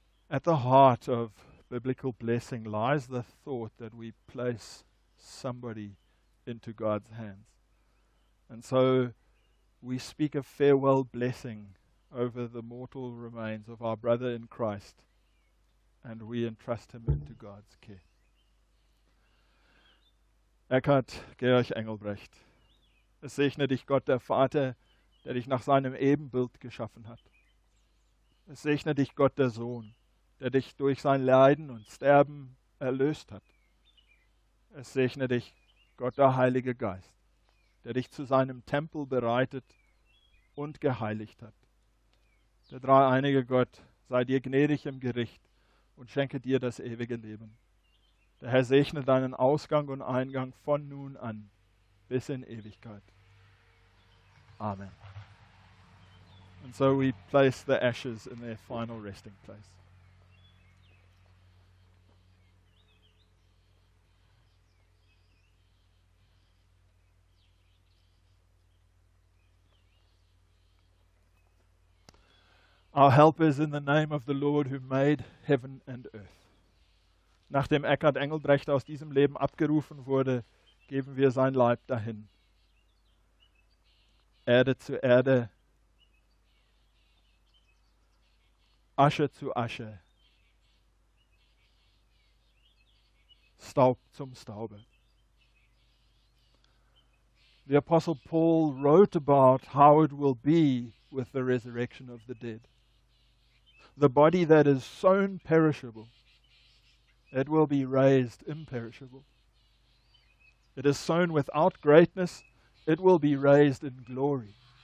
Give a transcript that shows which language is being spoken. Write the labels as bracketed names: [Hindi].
[English] At the heart of biblical blessing lies the thought that we place somebody into God's hands. And so we speak a farewell blessing over the mortal remains of our brother in Christ, and we entrust him into God's care. [German] Eckard Georg Engelbrecht, es segne dich Gott, der Vater, der dich nach seinem Ebenbild geschaffen hat. Es segne dich Gott, der Sohn, der dich durch sein Leiden und Sterben erlöst hat. Es segne dich Gott, der Heilige Geist, der dich zu seinem Tempel bereitet und geheiligt hat. Der dreieinige Gott sei dir gnädig im Gericht und schenke dir das ewige Leben. Der Herr segne deinen Ausgang und Eingang von nun an bis in Ewigkeit. Amen. [English] And so we place the ashes in their final resting place. Our help is in the name of the Lord who made heaven and earth. [German] Nachdem Eckard Engelbrecht aus diesem Leben abgerufen wurde, geben wir sein Leib dahin. Erde zu Erde, Asche zu Asche, Staub zum Staube. [English] The Apostle Paul wrote about how it will be with the resurrection of the dead. The body that is sown perishable, it will be raised imperishable. It is sown without greatness, it will be raised in glory.